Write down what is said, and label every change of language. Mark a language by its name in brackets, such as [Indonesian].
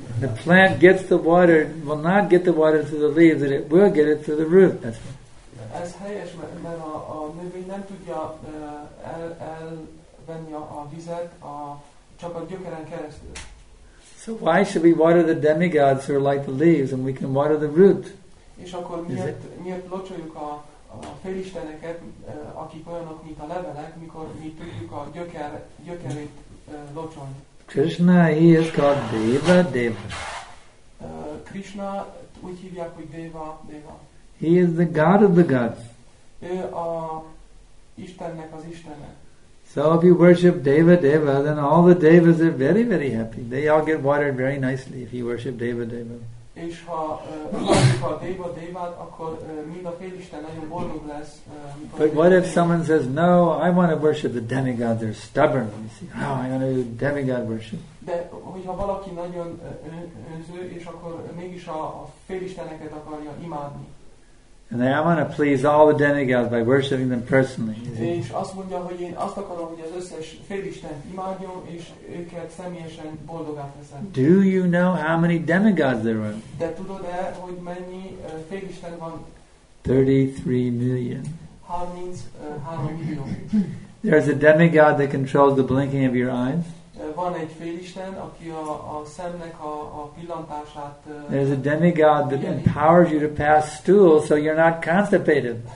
[English] The plant gets the water, will not get the water through the leaves, but it will get it through the root. That's right. [Hungarian] Ez helyes, mert a növény nem tudja elvenni a vizet, csak a gyökeren keresztül. [English] So why should we water the demigods who are like the leaves, and we can water the root? [Hungarian] És akkor miért locsoljuk a félisteneket, akik olyanok, mint a levelek, mikor mi tudjuk a gyökerét locsolni. [English] Krishna, he is called Deva, Deva. [Hungarian] Krishna, úgy hívják, hogy Deva, Deva. [English] He is the God of the gods. [Hungarian] Ő a Istennek az Istene. [English] So if you worship Deva, Deva, then all the Devas are very, very happy. They all get watered very nicely if you worship Deva, Deva. [Hungarian] És ha mondjuk a Deva Devát, akkor mind a félisten nagyon boldog lesz. [English] But what if someone says, no, I want to worship the demigods, they're stubborn. You see, oh, I want to do demigod worship. [Hungarian] De hogyha valaki nagyon önző, és akkor mégis a félisteneket akarja imádni. [English] And they, I want to please all the demigods by worshiping them personally. [Hungarian] És azt mondja, hogy én azt akarom, hogy az összes félistent imádjon, és őket személyesen boldoggá teszem. [English] Do you know how many demigods there are? [Hungarian] De tudod-e, hogy mennyi félisten van? [English] 33 million. How means 3 million? There's a demigod that controls the blinking of your eyes. [Hungarian] Van egy félisten, aki a szemnek a pillantását. [English] There's a demigod that empowers you to pass stools so you're not constipated.